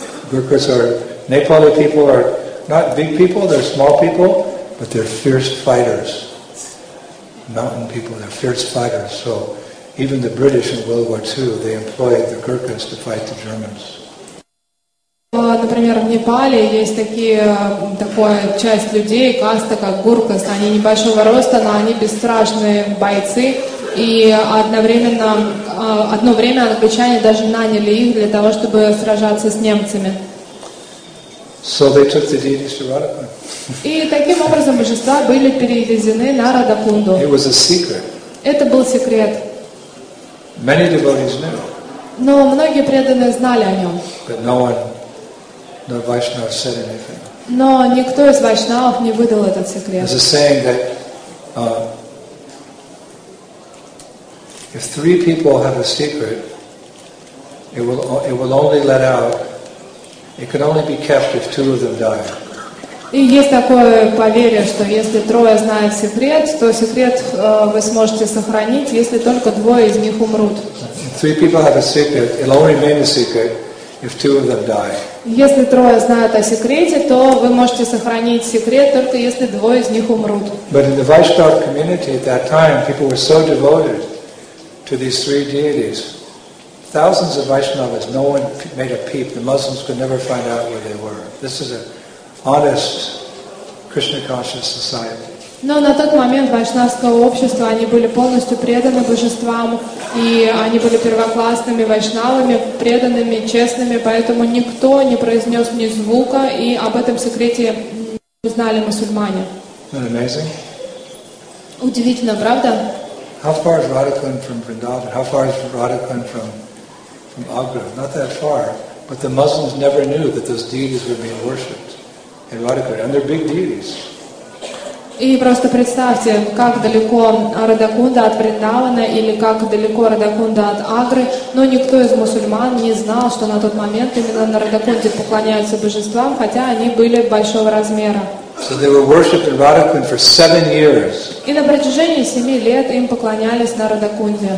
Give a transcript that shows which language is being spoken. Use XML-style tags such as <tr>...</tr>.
<en>Gurkhas are Nepali people are not big people; they're small people, but they're fierce fighters. Mountain people, they're fierce fighters. So Even the British in World War II, they employed the Gurkhas to fight the Germans.</en> <ru>Например, в Непале есть такая часть людей, каста, как гуркас. Они небольшого роста, но они бесстрашные бойцы. И одновременно, одно время англичане даже наняли их для того, чтобы сражаться с немцами.</ru> <en>So they took the deities to Radha.</en> <ru>И таким образом божества были перевезены на Радакунду.</ru> <en>It was a secret.</en> <ru>Это был секрет.</ru> <en>Many devotees knew.</en> <ru>Но многие преданные знали о нем.</ru> <en>But no one, no Vaishnav said anything.</en> <ru>Но никто из вайшнавов не выдал этот секрет.</ru> <en>There's a saying that if three people have a secret, it will only let out. It can only be kept if two of them die.</en> <ru>И есть такое поверье, что если трое знают секрет, то секрет вы сможете сохранить, если только двое из них умрут.</ru> <en>Three people have a secret, it'll only remain a secret if two of them die.</en> <ru>Если трое знают о секрете, то вы можете сохранить секрет только если двое из них умрут.</ru> <en>But in the Vaishnava community at that time, people were so devoted to these three deities. Thousands of Vaishnavas, no one made a peep. The Muslims could never find out where they were. This is a honest Krishna conscious society.</en> <ru>Но на тот момент вайшнавское общество, они были полностью преданы божествам, и они были первоклассными вайшнавами, преданными, честными, поэтому никто не произнес ни звука, и об этом секрете не знали мусульмане.</ru> <en>Isn't that amazing?</en> <ru>Удивительно, правда?</ru> <en>How far is Radhakund from Vrindavan? How far is Radhakund from Agra? Not that far, but the Muslims never knew that those deities were being worshipped. And Radhakund, and they're big deities.</en> <ru>И просто представьте, как далеко Радакунда от Вриндавана или как далеко Радакунда от Агры, но никто из мусульман не знал, что на тот момент именно на Радакунде поклоняются божествам, хотя они были большого размера.</ru> <en>So they were worshipped in Radhakund for 7 years.</en> <ru>И на протяжении 7 лет им поклонялись на Радакунде.</ru>